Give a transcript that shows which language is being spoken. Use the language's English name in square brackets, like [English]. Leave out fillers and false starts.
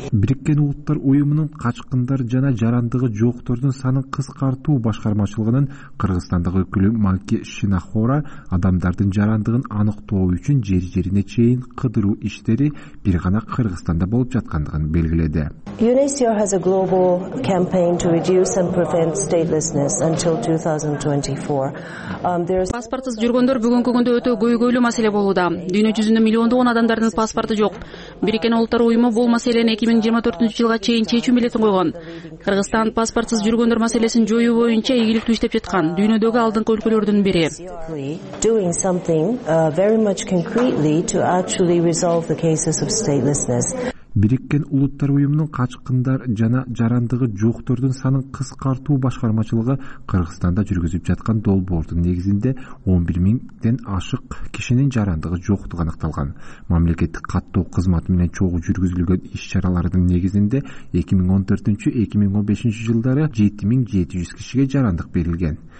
[Kyrgyz] Бириккен улуттар уюмунун качкындар жана жарандыгы жоктордун санын кыскартуу башкармачылыгынын Кыргызстандагы өкүлү Малки Шинахора адамдардын жарандыгын аныктоо үчүн жер жерине чейин кыдыруу иштери бир гана Кыргызстанда болуп жаткандыгын белгиледи. [English] UNESCO has a global campaign to reduce and prevent statelessness until 2024. [Kyrgyz] Паспортсуз жүргөндөр бүгүнкү күндө өтө көйгөйлүү маселе болууда. Дүйнө жүзүндө миллиондогон адамдардын паспорту жок. Бириккен улуттар уюму бул маселени 2024 жылга чейин чечүү милетин койгон. Кыргызстан паспортсуз жүргөндөр маселесин жоюу боюнча ийгиликтүү иштеп жаткан дүйнөдөгү алдыңкы өлкөлөрдүн бири. [English] Doing something very much concretely to actually resolve the cases of statelessness. [Kyrgyz] Бириккен улуттар уюмунун качкындар жана жарандыгы жоктордун санын кыскартуу башкармачылыгы Кыргызстанда жүргүзүп жаткан долбоордун негизинде 11,000 ашык кишинин жарандыгы жоктугу аныкталган. Мамлекеттик каттоо кызматы менен чогуу жүргүзүлгөн иш-чаралардын негизинде 2014-2015 жылдары 7700 кишиге жарандык берилген.